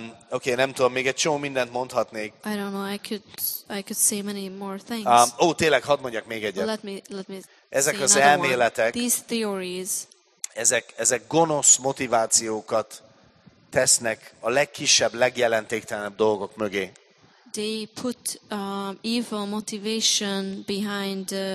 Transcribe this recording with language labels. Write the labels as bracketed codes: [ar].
[hu] Oké, nem tudom, még egy csomó mindent mondhatnék. [en] I don't know, I could say many more things. [hu] Tényleg, hadd mondjak még egyet. [en] Well, let me [hu] ezek az elméletek, [en] these theories, [hu] ezek gonosz motivációkat tesznek a legkisebb, legjelentéktelenebb dolgok mögé. [en] They put evil motivation behind